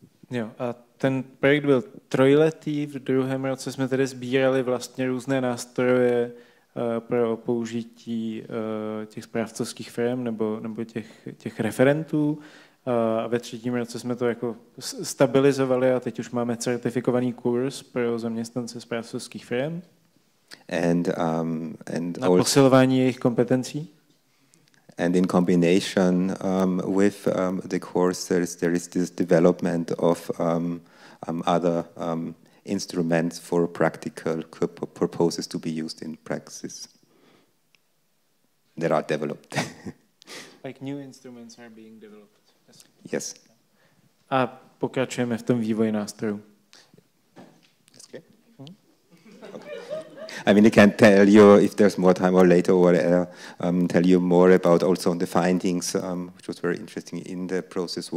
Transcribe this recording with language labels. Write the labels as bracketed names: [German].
[Czech] Jo, a ten projekt byl trojletý. V druhém roce jsme tedy sbírali vlastně různé nástroje pro použití těch správcovských firm nebo těch referentů. A ve třetím roce jsme to jako stabilizovali a teď už máme certifikovaný kurz pro zaměstnance správcovských firm. [English] And [Czech] na posilování jejich kompetencí. [English] And in combination with the course, there is this development of other instruments for practical purposes to be used in practices that are developed. Like new instruments are being developed. Yes. [Czech] A pokračujeme v tom vývoji nástrojů. [English] I mean, I can tell you if there's more time or later, or tell you more about also on the findings, which was very interesting in the process.